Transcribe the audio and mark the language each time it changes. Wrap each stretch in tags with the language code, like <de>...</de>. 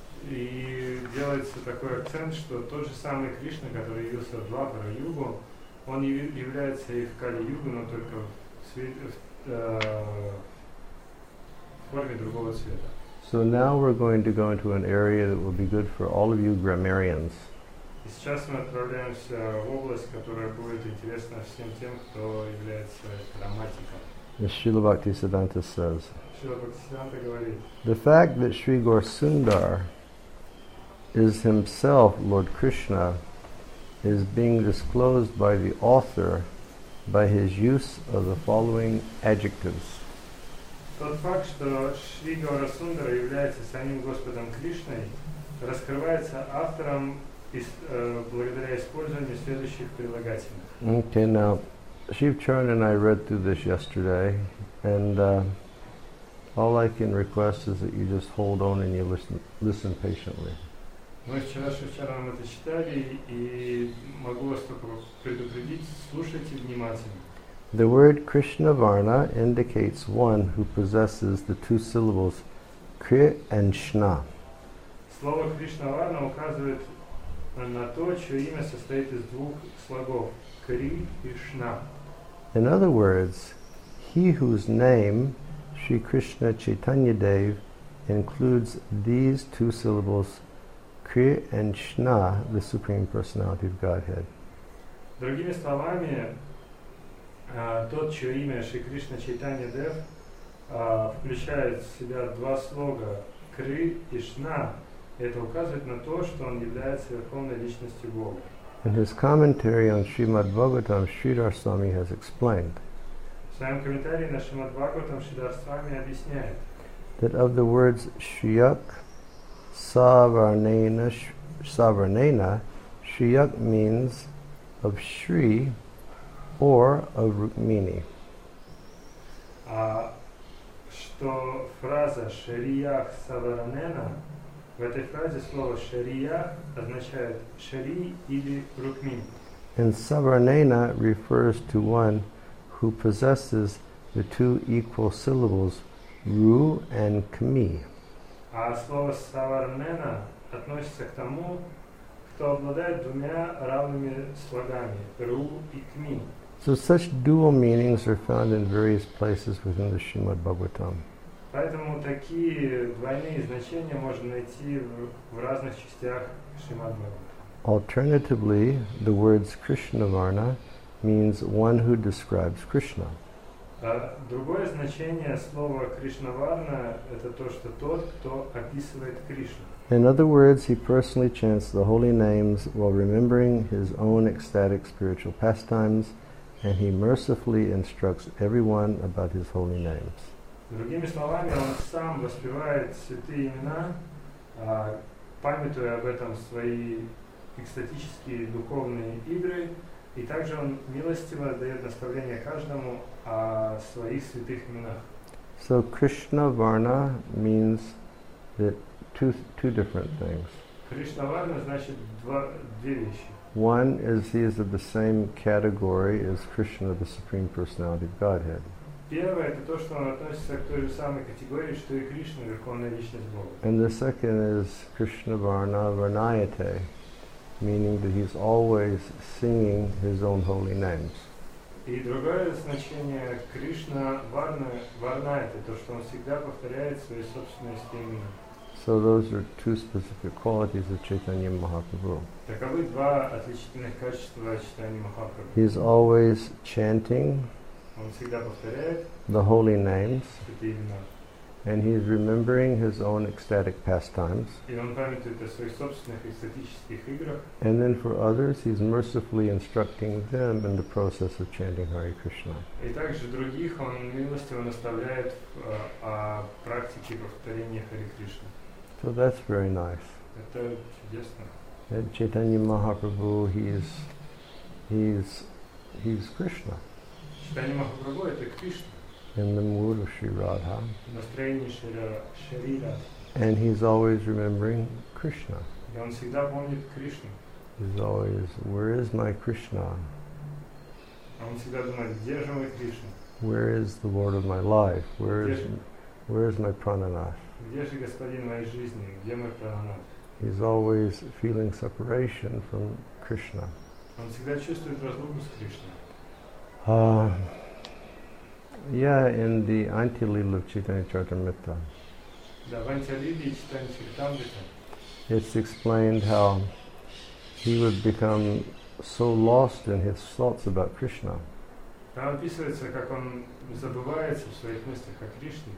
<ru>И делается такой акцент, что тот же самый Кришна, который явился в Двапара Югу, он является и в Кали Югу, но только в форме другого цвета.</ru> <en>So now we're going to go into an area that will be good for all of you grammarians.</en> <ru>И сейчас мы отправляемся в область, которая будет интересна всем тем, кто является грамматиком.</ru> <en>As Srila Bhaktisiddhanta says,</en> <ru>говорит,</ru> <en>the fact that Sri Gaurasundara is himself Lord Krishna, is being disclosed by the author by his use of the following adjectives.</en> <ru>Тот факт, что Шри Гаурасундара является самим Господом Кришной, раскрывается автором благодаря использованию следующих прилагательных.</ru> <en>Okay, now, Shiv Charan and I read through this yesterday, and all I can request is that you just hold on and you listen patiently.</en> <ru>Мы вчера с Шивчараном это читали, и могу вас только предупредить, слушайте внимательно.</ru> <en>The word Krishnavarna indicates one who possesses the two syllables Kri and Shna.</en> <ru>Слово Кришнаварна указывает на то, чье имя состоит из двух слогов Кри и Шна.</ru> <en>In other words, he whose name, Sri Krishna Chaitanya Dev, includes these two syllables Kri and Shna, the Supreme Personality of Godhead.</en> <ru>Другими словами, тот, чье имя Шри Кришна Чайтанья Дев, включает в себя два слога Кри и Шна, это указывает на то, что он является Верховной Личностью Бога.</ru> <en>In his commentary on Srimad Bhagavatam, Sridhar Swami has explained</en> <ru>в своем комментарии на Шримад Бхагаватам Шридхар Свами объясняет</ru> <en>that of the words Shriyak, Savarnena, Savarnena, Shriyak means of Shri, or of Rukmini.</en> <ru>Что фраза Шриях Саваранена, в этой фразе слово Шриях означает Шри или Рукмини.</ru> <en>And Саваранена refers to one who possesses the two equal syllables Ru and Kmi.</en> <ru>А слово Саваранена относится к тому, кто обладает двумя равными слогами Ru и Kmi.</ru> <en>So such dual meanings are found in various places within the Srimad Bhagavatam.</en> <ru>Поэтому такие двойные значения можно найти в разных частях Шримад Бхагаватам.</ru> <en>Alternatively, the words Krishnavarna means one who describes Krishna.</en> <ru>Другое значение слова Кришнаварна – это то, что тот, кто описывает Кришну.</ru> <en>In other words, he personally chants the holy names while remembering his own ecstatic spiritual pastimes, and he mercifully instructs everyone about his holy names.</en> <ru>Другими словами, он сам воспевает святые имена, памятуя об этом свои экстатические духовные игры, и также он милостиво дает наставление каждому о своих святых именах.</ru> <en>So Krishna Varna means that two different things.</en> <ru>Krishna Varna значит две вещи.</ru> <en>One is he is of the same category as Krishna, the Supreme Personality of Godhead.</en> <ru>Первое, это то, что он относится к той же самой категории, что и Кришна, Верховная Личность Бога.</ru> <en>And the second is Krishna Varna Varnayate, meaning that he's always singing his own holy names.</en> <ru>И другое значение Кришна Варна Варнайте, то, что он всегда повторяет свои собственные имена.</ru> <en>So those are two specific qualities of Chaitanya Mahaprabhu.</en> <ru>Таковы два отличительных качества Чайтаньи Махапрабху.</ru> <en>He is always chanting</en> <ru>он всегда повторяет</ru> <en>the holy names,</en> <ru>святые имена.</ru> <en>And he is remembering his own ecstatic pastimes.</en> <ru>И он памятует о своих собственных экстатических играх.</ru> <en>And then for others, he is mercifully instructing them in the process of chanting Hare Krishna.</en> <ru>И также других он милостиво наставляет о практике повторения Hare Krishna.</ru> <en>So that's very nice.</en> <ru>Это чудесно.</ru> <en>And Chaitanya Mahaprabhu, he's Krishna.</en> <ru>Chaitanya Mahaprabhu это Кришна.</ru> <en>In the mood of Sri Radha.</en> <ru>В настроении Шри Радха.</ru> <en>And he's always remembering Krishna.</en> <ru>И он всегда помнит Кришну.</ru> <en>He's always, where is my Krishna?</en> <ru>Он всегда думает, где же мой Кришна?</ru> <en>Where is the Lord of my life? Where is my Prananath?</en> <ru>Где же Господин моей жизни? Где мой Прананат?</ru> <en>He's always feeling separation from Krishna.</en> <ru>Он всегда чувствует разлуку с Кришной.</ru> <en>In the Antilila of Chaitanya Charitamrita.</en> <ru>Да, в Антилиле Чайтанья Чаритамрита.</ru> <en>It's explained how he would become so lost in his thoughts about Krishna.</en> <ru>Там описывается, как он забывается в своих мыслях о Кришне.</ru>